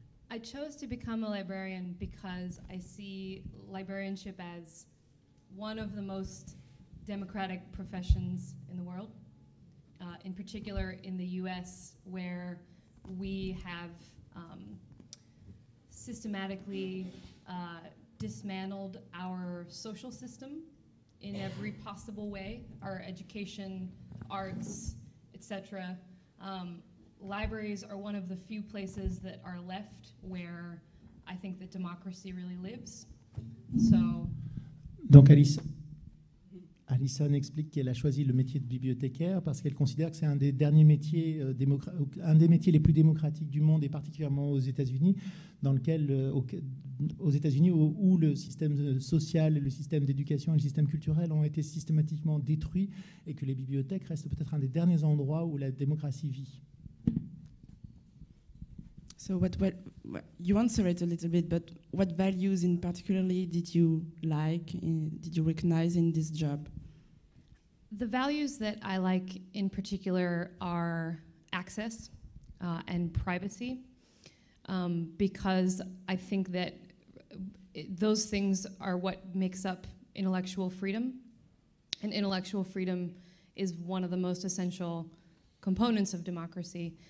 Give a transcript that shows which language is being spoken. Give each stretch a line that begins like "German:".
English: I chose to become a librarian because I see librarianship as one of the most democratic professions in the world, in particular in the US, where we have systematically dismantled our social system in every possible way, our education, arts, etc. Libraries are one of the few places that are left where I think that democracy really lives. So.
French: Donc Alison explique qu'elle a choisi le métier de bibliothécaire parce qu'elle considère que c'est un des derniers métiers, un des métiers les plus démocratiques du monde, et particulièrement aux États-Unis, dans lequel, aux États-Unis, où le système social, le système d'éducation et le système culturel ont été systématiquement détruits, et que les bibliothèques restent peut-être un des derniers endroits où la démocratie vit.
English: So what you answered a little bit, but what values in particularly did you like, did you recognize in this job? The values that I like in particular are access and privacy, because I think that those things are what makes up intellectual freedom, and intellectual freedom is one of the most essential components of democracy.